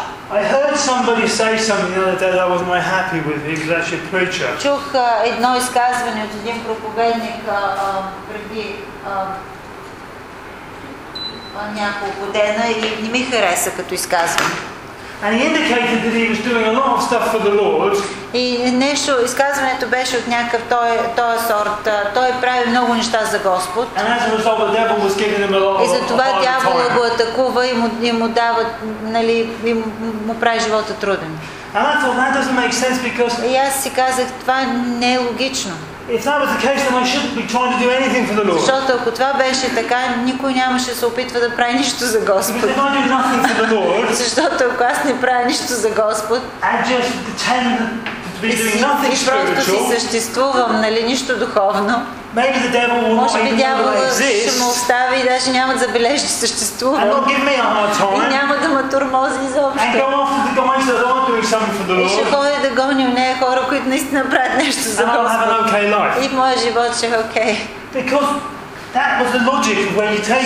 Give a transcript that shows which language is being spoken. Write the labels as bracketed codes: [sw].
[en] I heard somebody say something the other day that I was not happy with. He was actually a preacher. [bg] Чух едно изказване от един проповедник преди няколко дена и не ми хареса като изказване. [en] And he indicated that he was doing a lot of stuff for the Lord. [bg] И нещо, изказването беше от някакъв той сорт. Той прави много неща за Господ. [en] And as a result, the devil was giving him a lot of. [bg] И затова дяволът го атакува и му дава, нали, и му прави живота труден. [en] And I thought that doesn't make sense because. [bg] И аз си казах, това не е логично. [en] If that was the case, then I shouldn't be trying to do anything for the Lord. [bg] Защото ако това беше така, никой нямаше да се опитва да прави нищо за Господ. [en] If I do nothing for the Lord. [bg] Защото ако аз не правя нищо за Господ. [en] I just pretend to be doing nothing spiritual. [bg] И просто си съществувам, нали, нищо духовно. [en] Maybe the devil will not even know I exist. [bg] Може би дявола ще ме остави и даже няма да забележи, че съществувам. [en] And not give me a hard time. [bg] И няма да ме турмози изобщо. [en] And go off to the guys that aren't doing something for the Lord. [bg] И ще ходя да гоня нея хора, които наистина правят нещо за Господ. [en] And I'll have an okay life. [bg] И моя живот ще е окей. [en] Because that was the logic of where you take it.